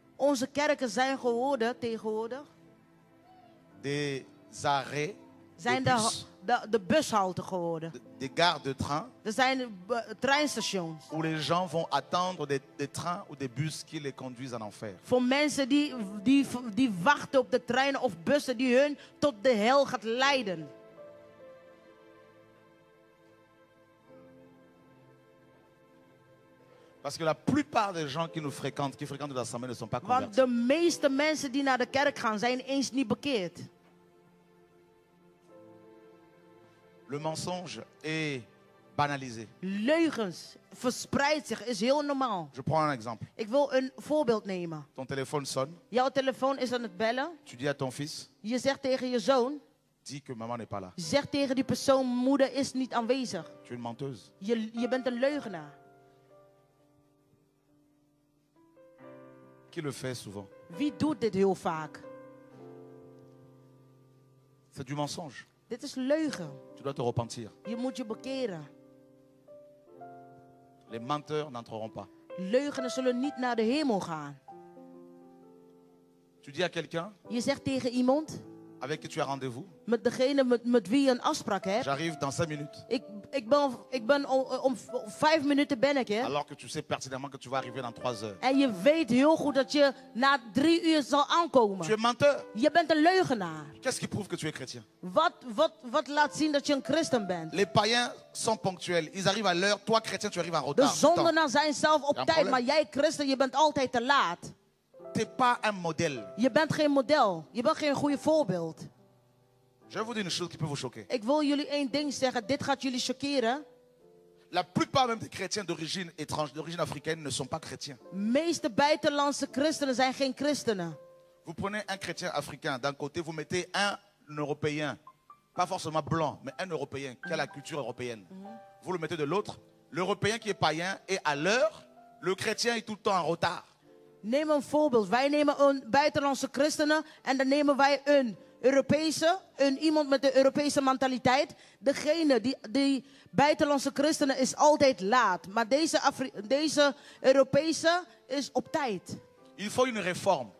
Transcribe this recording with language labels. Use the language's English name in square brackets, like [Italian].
[Dutch] onze kerken zijn geworden tegenwoordig, [French] des arrêts, [Dutch] zijn de bushalte geworden, [French] des gares de train, [Dutch] er zijn treinstations, [French] où les gens vont attendre des trains ou des bus qui les conduisent en enfer. [Dutch] Voor mensen die wachten op de treinen of bussen die hun tot de hel gaat leiden. [French] Parce que la plupart des gens qui nous fréquentent, qui fréquentent l'assemblée, ne sont pas convertis. [Dutch] Want de meeste mensen die naar de kerk gaan, zijn eens niet bekeerd. [French] Le mensonge est banalisé. [Dutch] Leugens verspreidt zich, is heel normaal. [French] Je prends un exemple. [Dutch] Ik wil een voorbeeld nemen. [French] Ton téléphone sonne. [Dutch] Jouw telefoon is aan het bellen. [French] Tu dis à ton fils. [Dutch] Je zegt tegen je zoon. [French] Dis que maman n'est pas là. [Dutch] Zeg tegen die persoon, moeder is niet aanwezig. [French] Tu es une menteuse. [Dutch] Je bent een leugenaar. [French] Qui le fait souvent? [Dutch] Wie doet dit heel vaak? [French] C'est du mensonge. [Dutch] Dit is leugen. [French] Tu dois te repentir. [Dutch] Je moet je bekeren. [French] Les menteurs n'entreront pas. [Dutch] Leugenen zullen niet naar de hemel gaan. [French] Tu dis à quelqu'un? [Dutch] Je zegt tegen iemand. [French] Avec qui tu as rendez-vous? [Dutch] Met degene met wie je een afspraak hebt. [French] J'arrive dans 5 minutes. [Dutch] Ik ben om 5 minuten ben ik hè. [French] Alors que tu sais pertinemment que tu vas arriver dans 3 heures. [Dutch] En je weet heel goed dat je na 3 uur zal aankomen. [French] Tu es menteur. [Dutch] Je bent een leugenaar. [French] Qu'est-ce qui prouve que tu es chrétien? [Dutch] Wat laat zien dat je een christen bent? [French] Les païens sont ponctuels. Ils arrivent à l'heure. Toi chrétien, tu arrives en retard. [Dutch] De zondaren zijn zelf op tijd, maar jij christen, je bent altijd te laat. [French] T'es pas un modèle. [Dutch] Je bent geen model. Je bent geen goede voorbeeld. [French] Je vous dis une chose qui peut vous choquer. [Dutch] Ik wil jullie één ding zeggen. Dit gaat jullie choqueren. [French] La plupart même des chrétiens d'origine étrange, d'origine africaine, ne sont pas chrétiens. [Dutch] Meeste buitenlandse christenen zijn geen christenen. [French] Vous prenez un chrétien africain d'un côté, vous mettez un européen, pas forcément blanc, mais un européen qui a la culture européenne. Mm-hmm. Vous le mettez de l'autre, l'européen qui est païen est à l'heure, le chrétien est tout le temps en retard. [Dutch] Neem een voorbeeld. Wij nemen een buitenlandse christenen en dan nemen wij een Europese, een iemand met de Europese mentaliteit. Degene die buitenlandse christenen is altijd laat, maar deze Europese is op tijd. [French] Il faut une réforme.